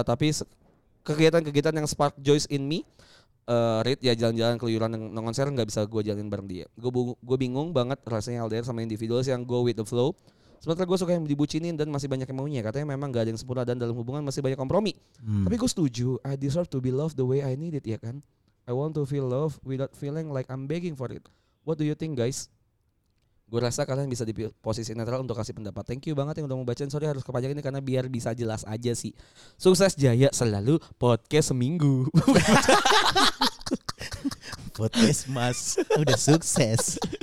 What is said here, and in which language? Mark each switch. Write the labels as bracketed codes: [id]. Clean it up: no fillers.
[id] Tapi kegiatan-kegiatan yang [en] spark joy in me [id] read ya jalan-jalan keluyuran dan konser enggak bisa gue jalanin bareng dia. Gue bingung banget rasanya LDR sama individuals yang [en] go with the flow. [id] Sementara gue suka yang dibucinin dan masih banyak yang maunya. Katanya memang enggak ada yang sempurna dan dalam hubungan masih banyak kompromi. Tapi gue setuju. [en] I deserve to be loved the way I need it [id] ya kan. [en] I want to feel love without feeling like I'm begging for it. What do you think, guys? [id] Gue rasa kalian bisa di posisi netral untuk kasih pendapat. Thank you banget yang udah mau bacain. Sorry harus kepanjangin ini karena biar bisa jelas aja sih. Sukses jaya selalu podcast seminggu. Podcast mas udah sukses.